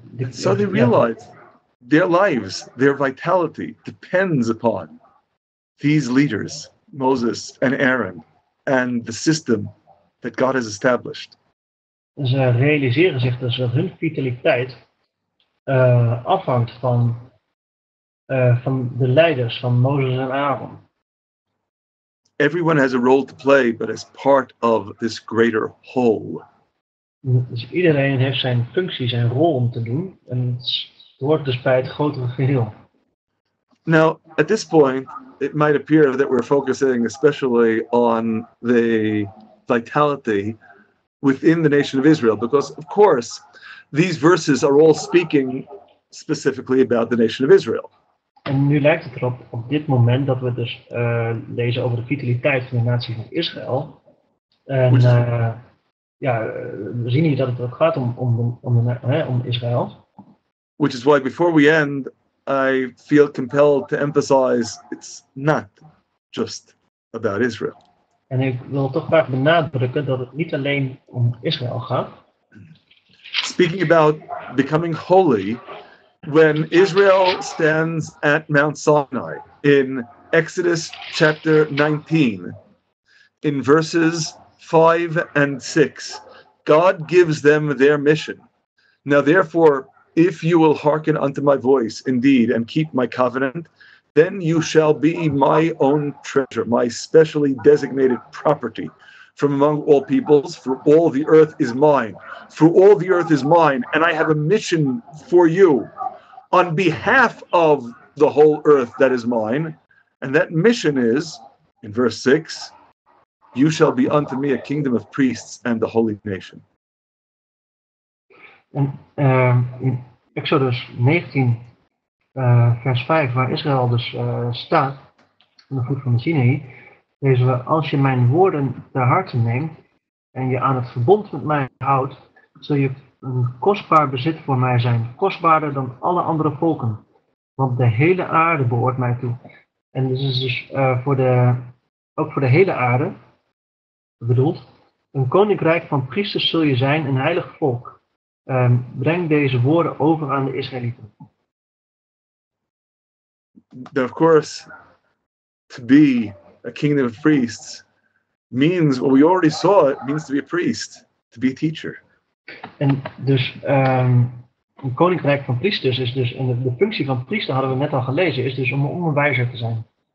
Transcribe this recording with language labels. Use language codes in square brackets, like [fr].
[en] So they realize their lives, their vitality depends upon these leaders, Moses and Aaron, and the system that God has established. [nl] Ze realiseren zich dus dat hun vitaliteit afhangt van de leiders, van Moses en Aaron. [en] Everyone has a role to play, but as part of this greater whole. [nl] Dus iedereen heeft zijn functie, zijn rol om te doen. En het hoort dus bij het grotere geheel. [en] Now, at this point, it might appear that we're focusing especially on the vitality within the nation of Israel. Because, of course, these verses are all speaking specifically about the nation of Israel. [nl] En nu lijkt het erop, op dit moment, dat we dus lezen over de vitaliteit van de natie van Israël. En... Ja, we zien hier dat het ook gaat om Israël. [en] Which is why before we end, I feel compelled to emphasize it's not just about Israel. [nl] En ik wil toch graag benadrukken dat het niet alleen om Israël gaat. [en] Speaking about becoming holy, when Israel stands at Mount Sinai in Exodus chapter 19, in verses 5 and 6, God gives them their mission. Now therefore, if you will hearken unto my voice indeed and keep my covenant, then you shall be my own treasure, my specially designated property from among all peoples, for all the earth is mine. For all the earth is mine, and I have a mission for you on behalf of the whole earth that is mine. And that mission is, in verse 6, you shall be unto me a kingdom of priests and a holy nation. [nl] In Exodus 19, vers 5, waar Israël dus staat, aan de voet van de Sinaï, lezen we, als je mijn woorden ter harte neemt en je aan het verbond met mij houdt, zul je een kostbaar bezit voor mij zijn, kostbaarder dan alle andere volken. Want de hele aarde behoort mij toe. En dit is dus voor de hele aarde, bedoeld, een koninkrijk van priesters zul je zijn, een heilig volk. Breng deze woorden over aan de Israëlieten. [en] Now of course, to be a kingdom of priests means, well, we already saw it, means to be a priest, to be a teacher. [nl] En dus een koninkrijk van priesters is dus, en de functie van priester hadden we net al gelezen, is dus om een onderwijzer te zijn.